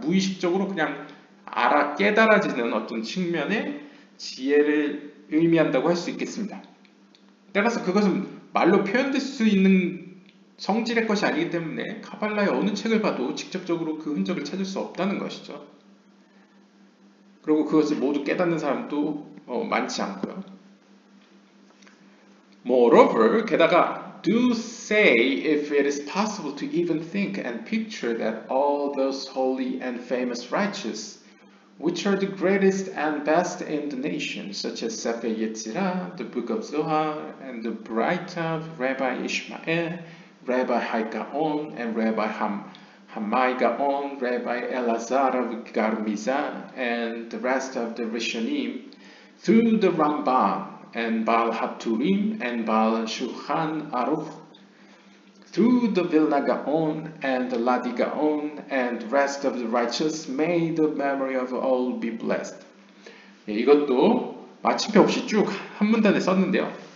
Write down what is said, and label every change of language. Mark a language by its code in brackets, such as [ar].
[ko] 무의식적으로 그냥 알아 깨달아지는 어떤 측면의 지혜를 의미한다고 할 수 있겠습니다. 따라서 그것은 말로 표현될 수 있는 성질의 것이 아니기 때문에 카발라의 어느 책을 봐도 직접적으로 그 흔적을 찾을 수 없다는 것이죠. 그리고 그것을 모두 깨닫는 사람도 많지 않고요. [en] Moreover, [ko] 게다가 [en] do say if it is possible to even think and picture that all those holy and famous righteous, which are the greatest and best in the nation, such as Sefer Yetzirah, the Book of Zohar, and the Bright of Rabbi Ishmael, Rabbi Haigaon, and Rabbi Hamaigaon, Rabbi Elazar of Garmiza, and the rest of the Rishonim, through the Ramban, and Baal HaTurim and Baal Shulchan Aruch, through the Vilna Gaon and the Ladi Gaon and rest of the righteous, may the memory of all be blessed. [ko] 예, 이것도 마침표 없이 쭉 한 문단에 썼는데요.